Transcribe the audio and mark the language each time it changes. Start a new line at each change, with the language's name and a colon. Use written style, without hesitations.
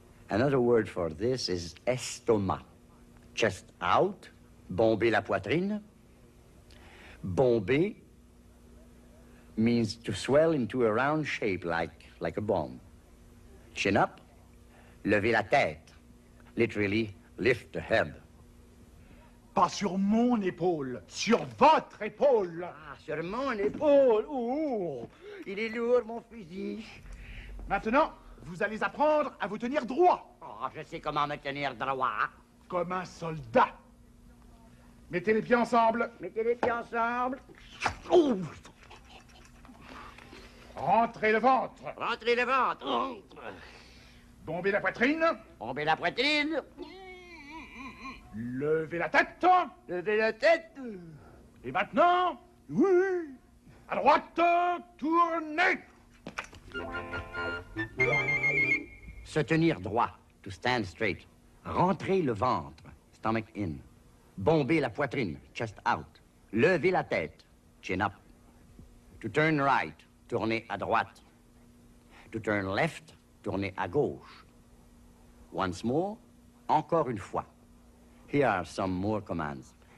English: Another word for this is estomac. Chest out,
French: bomber la poitrine.
English: Bomber means to swell into a round shape like a bomb. Chin up.
French: Lever la tête.
English: Literally, lift the head.
French: Pas sur mon épaule, sur votre épaule. Ah, sur mon épaule. Oh, il est lourd, mon fusil. Maintenant, vous allez apprendre à vous tenir droit. Oh, je sais comment me tenir droit. Comme un soldat. Mettez les pieds ensemble. Mettez les pieds ensemble. Oh. Rentrez le ventre. Rentrez le ventre. Rentre. Bombez la poitrine. Bombez la poitrine. Levez la tête. Levez la tête. Et maintenant, oui. À droite, tournez. Se tenir droit,
English: to stand straight.
French: Rentrer le ventre,
English: stomach in.
French: Bombez la poitrine,
English: chest out.
French: Levez la tête,
English: chin up. To turn right,
French: tournez à droite.
English: To turn left,
French: tournez à gauche.
English: Once more,
French: encore une fois.
English: Here are some more commands.